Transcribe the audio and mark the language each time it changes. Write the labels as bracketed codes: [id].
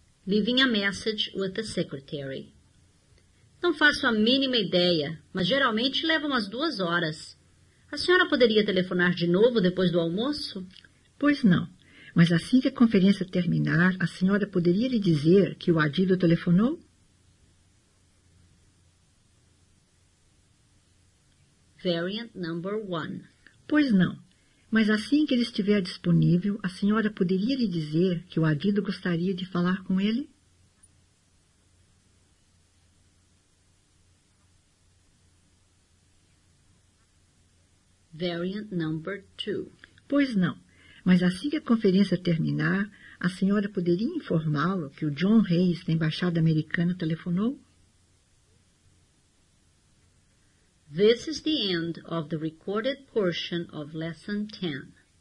[en] Leaving a message with the secretary. [pt] Não faço a mínima ideia, mas geralmente leva umas 2 horas. A senhora poderia telefonar de novo depois do almoço? Pois não. Mas assim que a conferência terminar, a senhora poderia lhe dizer que o Adido telefonou? [en] Variant number 1. [pt] Pois não. Mas assim que ele estiver disponível, a senhora poderia lhe dizer que o Adido gostaria de falar com ele? [en] Variant number 2. [pt] Pois não. Mas assim que a conferência terminar, a senhora poderia informá-lo que o John Reis, da Embaixada Americana, telefonou? [en] This is the end of the recorded portion of Lesson 10.